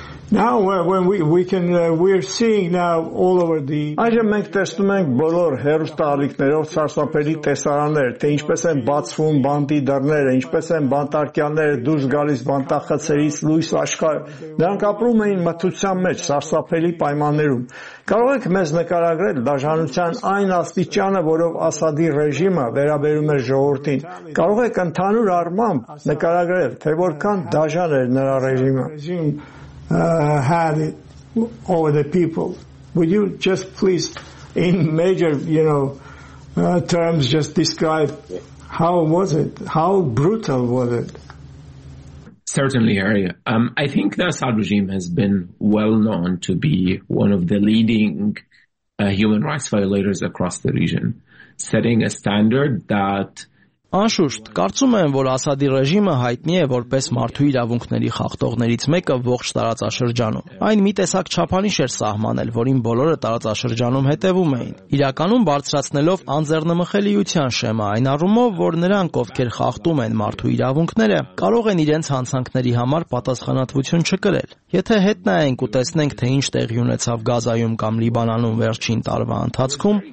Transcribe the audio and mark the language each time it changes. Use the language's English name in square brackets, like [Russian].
[English] Now when we're seeing now all over the [Armenian] Այժմ մենք տեսնում ենք բոլոր հերոստարիքներով սարսափելի տեսարաններ, թե ինչպես են բացվում բանտի դռները, ինչպես են բանտարկյալները դուրս գալիս բանտախցերից լույս աշխարհ։ Նրանք ապրում էին մթության մեջ սարսափելի պայմաններում։ Կարող եք մեզ նկարագրել դաժանության այն աստիճանը, որով Ասադի ռեժիմը վերաբերում էր ժողովրդին։ Կարող եք ընդհանուր առմամբ նկարագրել, թե որքան դաժան էր նրա ռեժիմը։ [English] Had it over the people. Would you just please, in major, you know, terms, just describe how was it? How brutal was it? Certainly, Harry. I think the Assad regime has been well known to be one of the leading human rights violators across the region, setting a standard that [Armenian] Անշուշտ, կարծում եմ, որ Ասադի ռեժիմը հայտնի է որպես մարդու իրավունքների խախտողներից մեկը ողջ տարածաշրջանում։ Այն մի տեսակ չափանիշ էր սահմանել, որին բոլորը տարածաշրջանում հետևում էին, իրականում բարձրացնելով անձեռնմխելիության շեմը այն առումով, որ նրանք, ովքեր խախտում են մարդու իրավունքները, կարող են իրենց հանցանքների համար պատասխանատվություն չկրել։ Եթե հետ նայենք ու տեսնենք, թե ինչ տեղի ունեցավ Գազայում կամ Լիբանանում վերջին տարվա ընթացքում,